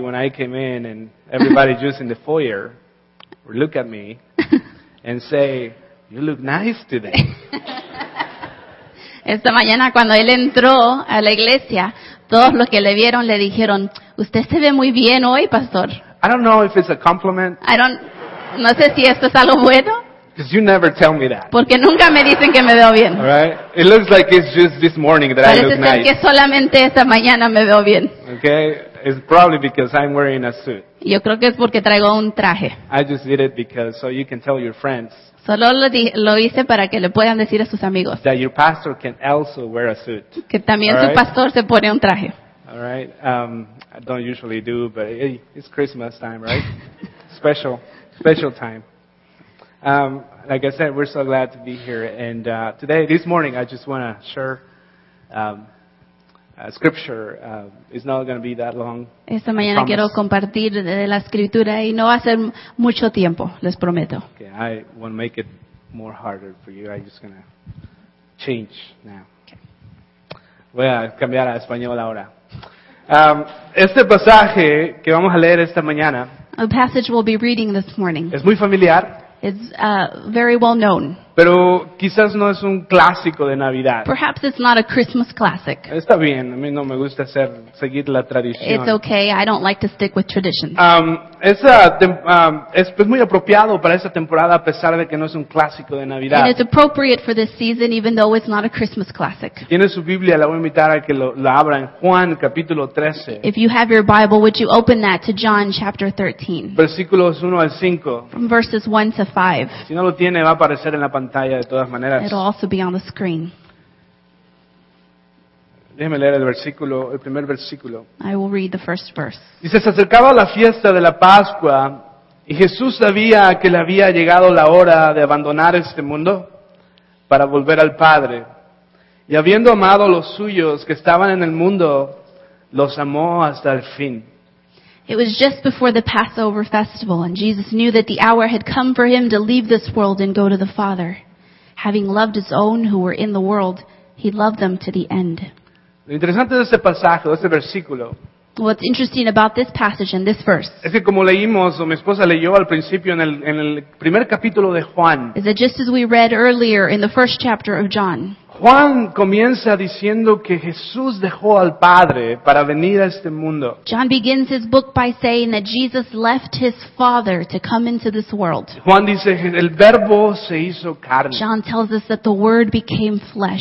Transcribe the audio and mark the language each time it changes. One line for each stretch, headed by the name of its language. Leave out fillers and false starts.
English: when I came in and everybody just in the foyer would look at me and say, "You look nice today."
Spanish: Esta mañana cuando él entró a la iglesia, todos los que le vieron le dijeron, "Usted se ve muy bien hoy, pastor."
English: I don't know if it's a compliment.
Spanish: No sé si esto es algo bueno.
English: Because you never tell me that.
Spanish: Porque nunca me dicen que me veo bien.
English: All right? It looks like it's just this morning that
Spanish: Parece
English: I look nice.
Spanish: Parece que solamente esta mañana me veo bien.
English: Okay? It's probably because I'm wearing a suit.
Spanish: Yo creo que es porque traigo un traje.
English: I just did it because so you can tell your friends.
Spanish: Solo lo hice para que le puedan decir a sus amigos.
English: That your pastor can also wear a suit.
Spanish: Que también
English: All
Spanish: su
English: right?
Spanish: pastor se pone un traje.
English: All right? I don't usually do, but it's Christmas time, right? Special. Special time. Like I said, we're so glad to be here. And today, this morning, I just want to share a scripture. It's not going to be that long.
Spanish: Esta mañana quiero compartir de la escritura y no va a ser mucho tiempo, les prometo.
English: Okay, I want to make it more harder for you. I'm just going to change now. Okay.
Spanish: Voy a cambiar a español ahora. Este pasaje que vamos a leer esta mañana.
English: A passage we'll be reading this morning.
Spanish: Es muy familiar.
English: It's very well known.
Spanish: Pero quizás no es un clásico de Navidad.
English: Perhaps it's not a Christmas classic.
Spanish: Está bien, a mí no me gusta seguir la tradición.
English: It's okay, I don't like to stick with tradition.
Spanish: Es muy apropiado para esta temporada a pesar de que no es un clásico de Navidad.
English: And it's appropriate for this season even though it's not a Christmas classic.
Spanish: Si tiene su Biblia, la voy a invitar a que la abra en Juan capítulo 13.
English: If you have your Bible, would you open that to John chapter 13?
Spanish: Versículos 1 al 5.
English: From verses 1 to 5.
Spanish: Si no lo tiene, va a aparecer en la pantalla de todas maneras.
English: It'll also be on the screen.
Spanish: Déjeme leer el primer versículo.
English: I will read the first verse.
Spanish: Dice, se acercaba la fiesta de la Pascua y Jesús sabía que le había llegado la hora de abandonar este mundo para volver al Padre. Y habiendo amado a los suyos que estaban en el mundo, los amó hasta el fin.
English: It was just before the Passover festival, and Jesus knew that the hour had come for him to leave this world and go to the Father. Having loved his own who were in the world, he loved them to the end.
Spanish: Lo interesante de este pasaje, de este versículo,
English: What's interesting about this passage and this verse
Spanish: es que como leímos, o mi esposa leyó al principio en el primer capítulo de Juan,
English: is that just as we read earlier in the first chapter of John,
Spanish: Juan comienza diciendo que Jesús dejó al Padre para venir a este mundo.
English: John begins his book by saying that Jesus left his Father to come into this world.
Spanish: Juan dice, el Verbo se hizo carne.
English: John tells us that the Word became flesh.